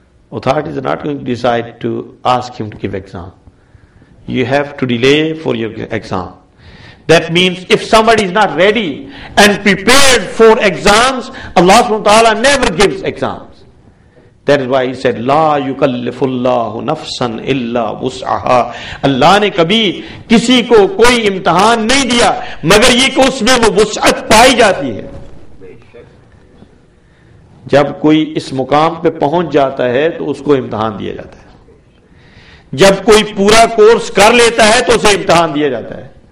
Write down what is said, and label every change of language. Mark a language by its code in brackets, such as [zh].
[en] Authorities are not going to decide to ask him to give exam. You have to delay for your exam. That means if somebody is not ready and prepared for exams, Allah subhanahu wa ta'ala never gives exam. That is why he said, [ar] لا يكلف الله نفسا إلا وسعها. [ur] Allah نے کبھی کسی کو کوئی امتحان نہیں دیا مگر یہ کہ اس میں وہ وسعت پائی جاتی ہے. جب کوئی اس مقام پہ پہنچ جاتا ہے تو اس کو امتحان دیا جاتا ہے. جب کوئی پورا کورس کر لیتا ہے تو اسے امتحان دیا جاتا ہے.